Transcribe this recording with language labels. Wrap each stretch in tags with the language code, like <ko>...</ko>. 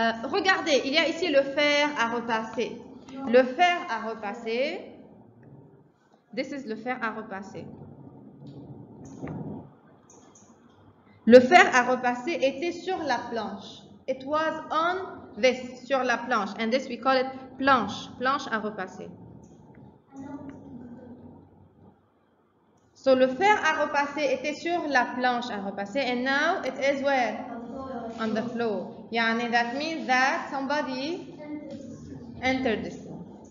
<fr>Regardez, il y a ici le fer à repasser. Le fer à repasser.</fr> <en>This is</en> <fr>le fer à repasser. Le fer à repasser était sur la planche.</fr> <en>It was on this,</en> <fr>sur la planche.</fr> <en>And this we call it</en> <fr>planche, planche à repasser. So le fer à repasser était sur la planche à repasser.</fr> <en>And now it is where? On the floor. Yani that means that somebody entered this room.</en>